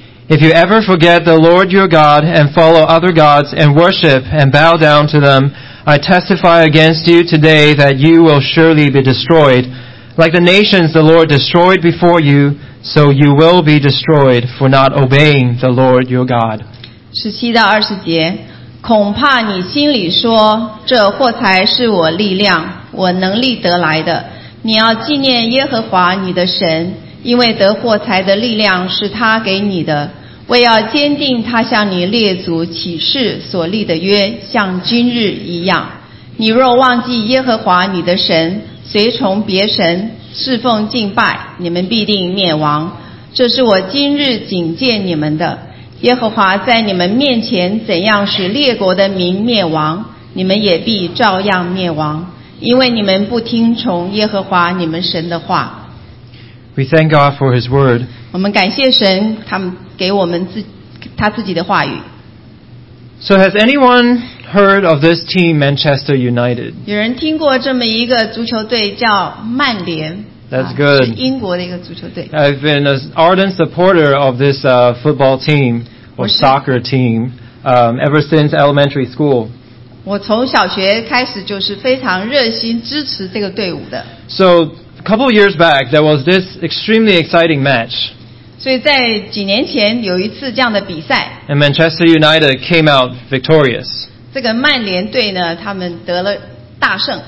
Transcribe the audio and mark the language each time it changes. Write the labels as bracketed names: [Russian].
[English] If you ever forget the Lord your God and follow other gods and worship and bow down to them, I testify against you today that you will surely be destroyed. Like the nations the Lord destroyed before you, so you will be destroyed for not obeying the Lord your God. [Chinese] 17到20节，恐怕你心里说，这货财是我力量，我能力得来的。你要纪念耶和华你的神，因为得货财的力量是他给你的，为要坚定他向你列祖起誓所立的约，像今日一样。你若忘记耶和华你的神，随从别神侍奉敬拜，你们必定灭亡。这是我今日警戒你们的。耶和华在你们面前怎样使列国的民灭亡，你们也必照样灭亡，因为你们不听从耶和华你们神的话。 [English] We thank God for His word. [Chinese] 我们感谢神，他们给我们他自己的话语。 [English] So has anyone heard of this team, Manchester United? [Chinese] 有人听过这么一个足球队叫曼联。 [English] That's good. [Chinese] 是英国的一个足球队。 [English] I've been an ardent supporter of this football team or soccer team ever since elementary school. [Chinese] 我从小学开始就是非常热心支持这个队伍的。 [English] So a couple of years back, there was this extremely exciting match. [Chinese] 所以在几年前有一次这样的比赛。 [English] And Manchester United came out victorious. [Chinese] 这个曼联队呢，他们得了大胜。